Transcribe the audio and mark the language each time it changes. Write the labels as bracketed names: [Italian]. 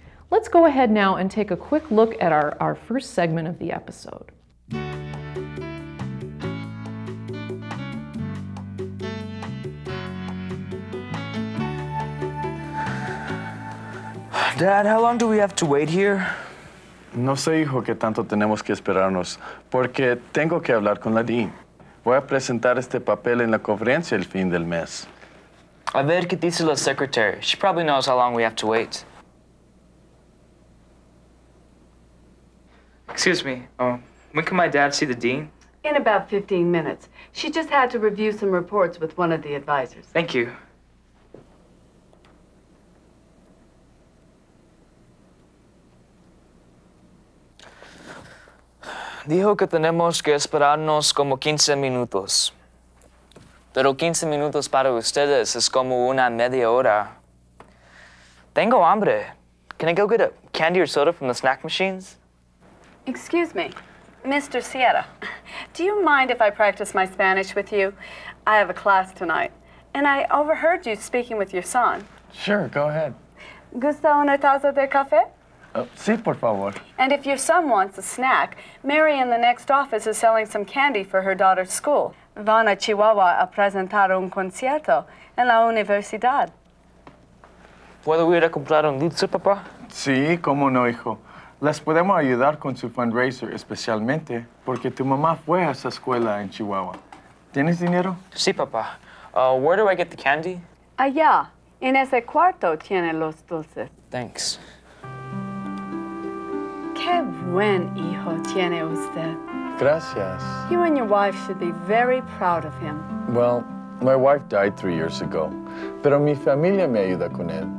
[English] Let's go ahead now and take a quick look at our first segment of the episode. Dad, how long do we have to wait here? [Spanish] No sé, hijo, qué tanto tenemos que esperarnos, porque tengo que hablar con la DEA. Voy a presentar este papel en la conferencia el fin del mes. A ver qué dice la secretaria. [English] She probably knows how long we have to wait. Excuse me, when can my dad see the dean? In about 15 minutes. She just had to review some reports with one of the advisors. Thank you. [Spanish] Dijo que tenemos que esperarnos como 15 minutos. Pero 15 minutos para ustedes es como una media hora. Tengo hambre. [English] Can I go get a candy or soda from the snack machines? Excuse me, Mr. Sierra. Do you mind if I practice my Spanish with you? I have a class tonight. And I overheard you speaking with your son. Sure, go ahead. [Spanish] ¿Gusta una taza de café? Sí, por favor. [English] And if your son wants a snack, Mary in the next office is selling some candy for her daughter's school. [Spanish] Van a Chihuahua a presentar un concierto en la universidad. ¿Puedo ir a comprar un dulce, papá? Sí, cómo no, hijo. Les podemos ayudar con su fundraiser, especialmente porque tu mamá fue a esa escuela en Chihuahua. ¿Tienes dinero? Sí, papá. [English] Where do I get the candy? [Spanish] Allá, en ese cuarto tiene los dulces. [English] Thanks. [Spanish] Qué buen hijo tiene usted. Gracias. [English] You and your wife should be very proud of him. Well, my wife died 3 years ago, [Spanish] pero mi familia me ayuda con él.